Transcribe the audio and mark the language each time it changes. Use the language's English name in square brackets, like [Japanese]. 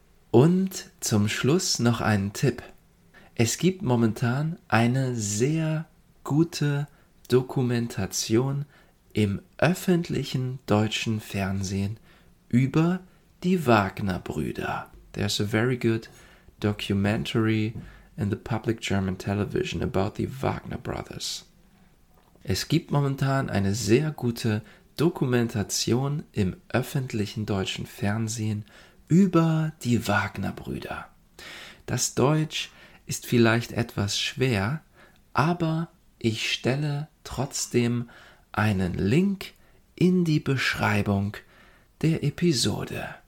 [German] Und zum Schluss noch einen Tipp. Es gibt momentan eine sehr gute Dokumentation im öffentlichen deutschen Fernsehen über die Wagner-Brüder. [English] There's a very good documentary in the public German television about the Wagner Brothers. [German] Es gibt momentan eine sehr gute Dokumentation im öffentlichen deutschen Fernsehen über die Wagner-Brüder. Das Deutsch ist vielleicht etwas schwer, aber ich stelle trotzdem einen Link in die Beschreibung der Episode.